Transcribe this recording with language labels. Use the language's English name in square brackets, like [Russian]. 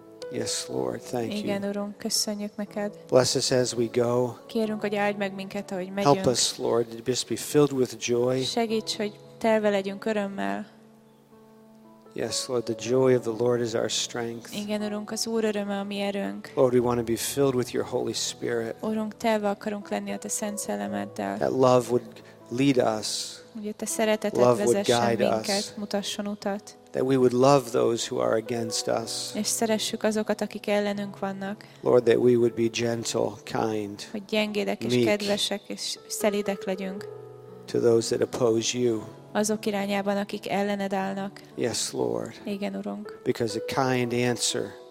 [English] Yes, Lord, thank you. [Hungarian] Igen, Uram, köszönjük neked. [English] Bless us as we go. [Hungarian] Kérünk, hogy áldj meg minket, ahogy megyünk. [English] Help us, Lord, to just be filled with joy. [Hungarian] Segíts, hogy telve legyünk örömmel. [English] Yes, Lord, the joy of the Lord is our strength. [Hungarian] Igen, Urunk, az Úr öröme a mi erőnk. [English] Lord, we want to be filled with your Holy Spirit. [Hungarian] Urunk, telve akarunk lenni a te Szent Szellemeddel. [English] That love would lead us. [Hungarian] Hogy a te szereteted vezessen minket, mutasson utat. [English] That we would love those who are against us. [Hungarian] És szeressük azokat, akik ellenünk vannak. [English] Lord, that we would be gentle, kind, [Hungarian] hogy gyengédek és kedvesek és szelídek legyünk. [English] To those that oppose you. [Hungarian] Azok irányában, akik ellened állnak. [English] Yes, Lord. [Hungarian] Igen, Urunk. [English] Because a kind answer,